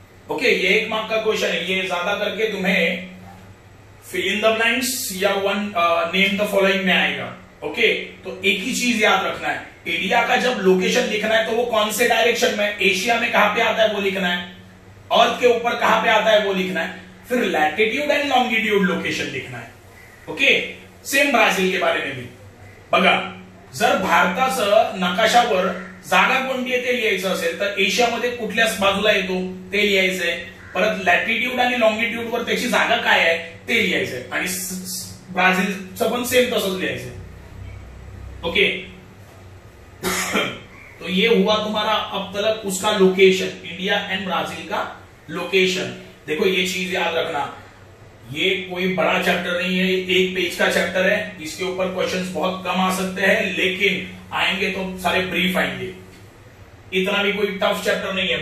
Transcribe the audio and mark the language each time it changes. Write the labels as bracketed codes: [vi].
[hi] Okay ये एक mark का क्वेश्चन है, ये ज्यादा करके तुम्हें फिल इन द ब्लैंक्स या वन नेम द फॉलोइंग में आएगा। ओके तो एक ही चीज याद रखना है, इंडिया का जब लोकेशन लिखना है तो वो कौन से डायरेक्शन में, एशिया में कहां पे आता है वो लिखना है, अर्थ के ऊपर कहां पे आता है वो लिखना है, फिर लैटिट्यूड एंड लॉन्गिट्यूड लोकेशन लिखना है। ओके सेम ब्राजील के बारे में भी [mr] बघा, जर भारताचं नकाशावर जागा कोणती येते लिहायचं असेल तर एशिया मध्ये कुठल्या बाजूला येतो ते लिहायचंय, परत लॅटिट्यूड आणि लॉन्गिट्यूड वर त्याची जागा काय आहे ते लिहायचंय, आणि ब्राझीलचं पण सेम तसंच लिहायचंय। [hi] ओके तो ये हुआ तुम्हारा अब तक उसका लोकेशन, इंडिया एंड ब्राझील का लोकेशन। देखो ये चीज याद रखना, ये कोई बड़ा चैप्टर नहीं है, एक पेज का चैप्टर है, इसके ऊपर क्वेश्चंस बहुत कम आ सकते हैं, लेकिन आएंगे तो सारे ब्रीफ आएंगे, इतना भी कोई टफ चैप्टर नहीं है।